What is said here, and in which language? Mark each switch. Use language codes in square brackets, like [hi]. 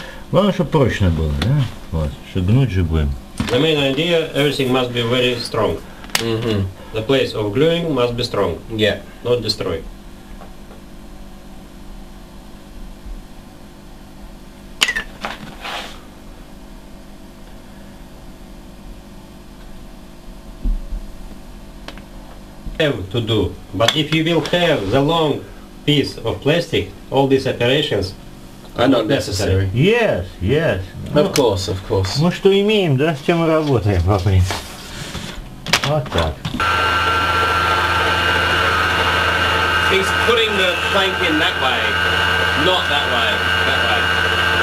[ru] Главное, чтобы прочно было, да? Вот, чтобы гнуть же будем. [en] The main idea, everything must be very strong. Mm-hmm. The place of gluing must be strong. Yeah. Not destroy. To do, but if you will have the long piece of plastic, all these operations are not necessary. Yes, yes. Of course, of course. [ru] Ну что имеем, да, с чем работаем, по принципу. Вот так. [en] He's putting the plank in that way, not that way.